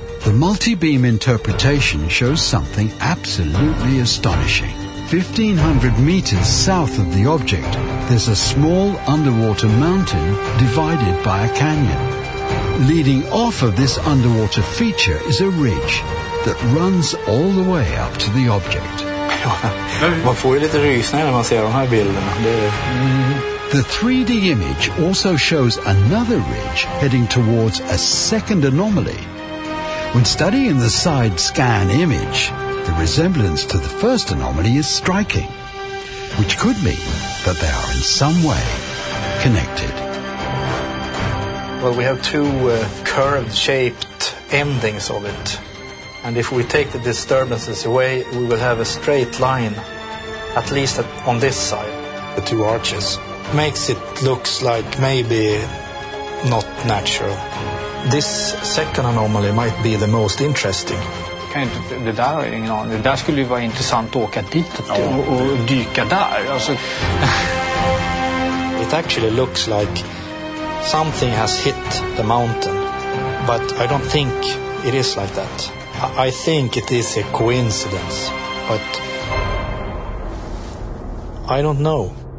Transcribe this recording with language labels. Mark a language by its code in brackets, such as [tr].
[en] The multi-beam interpretation shows something absolutely astonishing. 1,500 meters south of the object, there's a small underwater mountain divided by a canyon. Leading off of this underwater feature is a ridge that runs all the way up to the object. [sv] Man får ju lite rysningar när man ser de här bilderna. [en] The 3D image also shows another ridge heading towards a second anomaly. When studying the side scan image, the resemblance to the first anomaly is striking, which could mean that they are in some way connected. Well, we have two curved-shaped endings of it. And if we take the disturbances away, we will have a straight line, at least on this side. The two arches makes it look like maybe not natural. This second anomaly might be the most interesting. [sv] Det där har jag ingen aning. Det där skulle ju vara intressant att åka dit och dyka där. Alltså. [en] It actually looks like something has hit the mountain. But I don't think it is like that. I think it is a coincidence. But I don't know.